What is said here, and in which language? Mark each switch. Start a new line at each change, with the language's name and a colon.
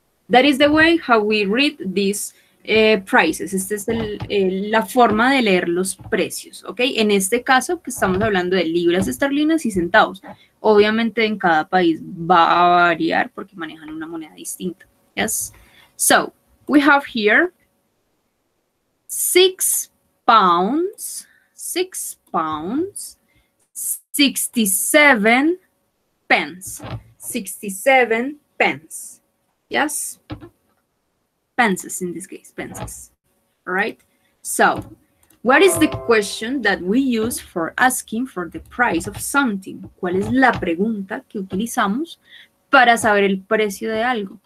English: That is the way how we read these prices.
Spanish: Esta es la forma de leer los precios, ¿ok? En este caso, que estamos hablando de libras esterlinas y centavos. Obviamente en cada país va a variar porque manejan una moneda distinta. Yes.
English: So, we have here 6 pounds, 6 pounds, 67 pence, 67 pence. Yes. Pences in this case, pences. All right. So, what is the question that we use for asking for the price of something?
Spanish: ¿Cuál es la pregunta que utilizamos para saber el precio de algo?